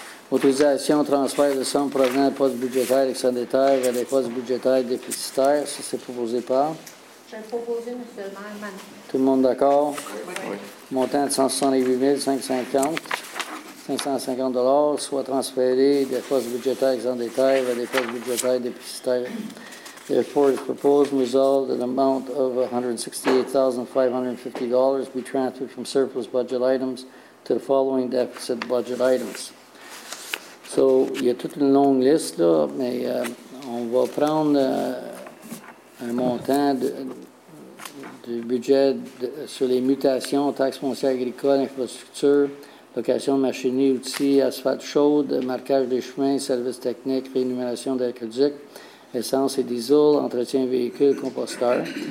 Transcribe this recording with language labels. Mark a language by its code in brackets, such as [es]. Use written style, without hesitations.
[fr] Autorisation transfert de somme provenant de postes budgétaires excédentaires vers des postes budgétaires déficitaires. Ça, c'est proposé par. Tout le monde d'accord? Oui. Montant de 168 550 $ soit transféré des postes budgétaires en détail vers des postes budgétaires déficitaires. [en] Therefore, it's proposed and resolved that an amount of $168,550 be transferred from surplus budget items to the following deficit budget items. [fr] So, il y a toute une longue liste, là, mais on va prendre un montant du budget sur les mutations, taxes foncières agricoles, infrastructures, location de machinerie, outils, asphalte chaude, marquage des chemins, services techniques, rémunération d'aqueduc, essence et diesel, entretien véhicule, composteur.